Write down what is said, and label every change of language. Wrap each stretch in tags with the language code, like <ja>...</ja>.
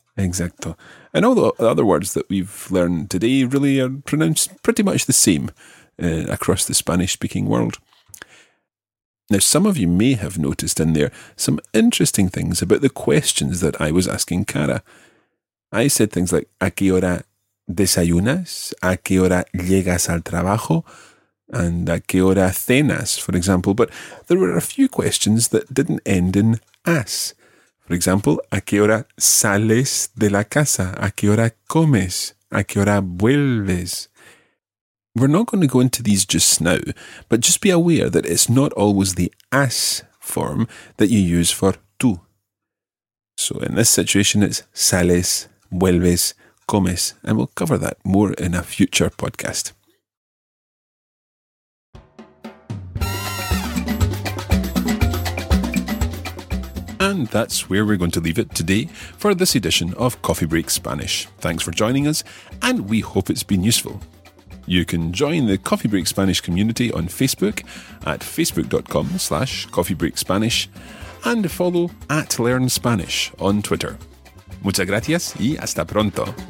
<es>Exacto.</es> <en>And all the other words that we've learned today really are pronounced pretty much the same across the Spanish-speaking world. Now, some of you may have noticed in there some interesting things about the questions that I was asking Cara. I said things like,</en> <es>¿a qué hora desayunas?</es> <en>¿A qué hora llegas al trabajo? And ¿a qué hora cenas?, for example. But there were a few questions that didn't end in as. For example,</en> <es>¿a qué hora sales de la casa? ¿A qué hora comes? ¿A qué hora vuelves?</es> <en>We're not going to go into these just now, but just be aware that it's not always the as form that you use for tú. So in this situation, it's sales, vuelves, comes, and we'll cover that more in a future podcast. And that's where we're going to leave it today for this edition of Coffee Break Spanish. Thanks for joining us, and we hope it's been useful. You can join the Coffee Break Spanish community on Facebook at facebook.com/coffeebreakspanish and follow at Learn Spanish on Twitter.</en> <es>Muchas gracias y hasta pronto.</es>